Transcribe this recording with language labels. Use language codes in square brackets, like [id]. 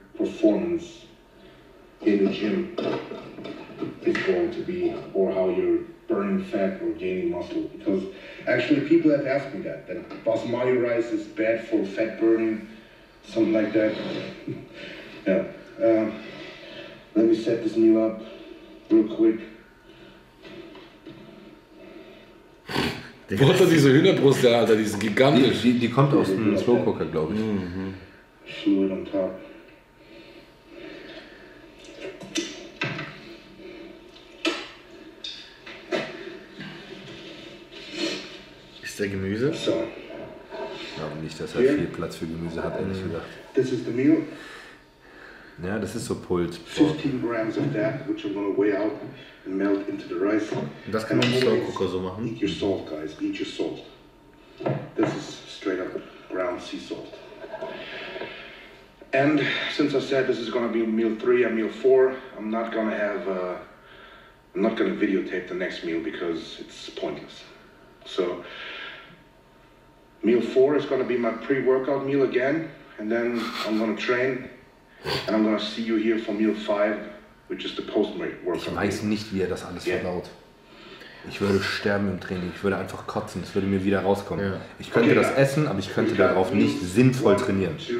[en] performance in the gym is going to be, or how you're burning fat or gaining muscle. Because actually people have asked me that, that basmati rice is bad for fat burning, something like that. Yeah. Let me set this meal up real quick. [de] Wo hat er diese Hühnerbrust, der Alter, die ist gigantisch. Die kommt aus dem Slow Cooker, glaube ich. Mm-hmm. [en] Fluid on top. [de] Ist der Gemüse? So. Ich glaube nicht, dass er here viel Platz für Gemüse hat, ehrlich gesagt. [en] This is the meal. [de] Ja, das ist so Pult. [en] 15 grams of that, which I'm gonna weigh out and melt into the rice. [de] Und das kann man im Slow Cooker so machen. [en] Eat your salt, guys. Eat your salt. This is straight up ground sea salt. And since I said this is gonna be meal 3 and meal 4, I'm not gonna have I'm not gonna videotape the next meal because it's pointless. So meal 4 is gonna be my pre-workout meal again, and then I'm gonna train and I'm gonna see you here for meal 5, which is the post-workout. [de] Ich weiß nicht, wie er das alles verbaut. Ich würde sterben im Training, ich würde einfach kotzen, es würde mir wieder rauskommen. Yeah. Ich könnte das essen, aber ich könnte darauf nicht sinnvoll trainieren.